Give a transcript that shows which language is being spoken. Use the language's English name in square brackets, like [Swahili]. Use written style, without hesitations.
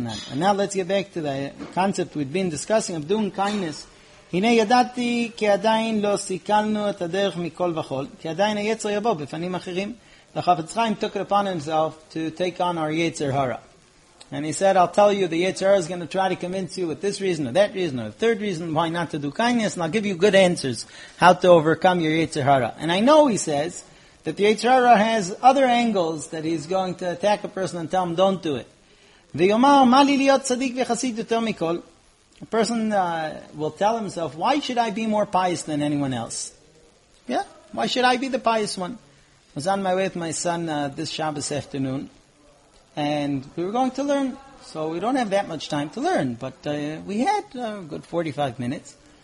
[English] And now let's get back to the concept we've been discussing of doing kindness. [Hebrew] הנה ידעתי כי עדיין לא סיכלנו את הדרך מכל וכל, כי עדיין היצר יבוא בפנים אחרים. [English] The Chafetz Chaim took it upon himself to take on our Yetzer Hara. And he said, I'll tell you, the Yetzer Hara is going to try to convince you with this reason or that reason or a third reason why not to do kindness, and I'll give you good answers how to overcome your Yetzer Hara. And I know, he says, that the Yetzer Hara has other angles that he's going to attack a person and tell him, don't do it. [Hebrew] V'yomar, מה לי להיות צדיק וחסיד יותר מכל? [English] A person will tell himself, why should I be more pious than anyone else? Yeah, why should I be the pious one? I was on my way with my son this Shabbos afternoon, and we were going to learn, so we don't have that much time to learn, but we had a good 45 minutes.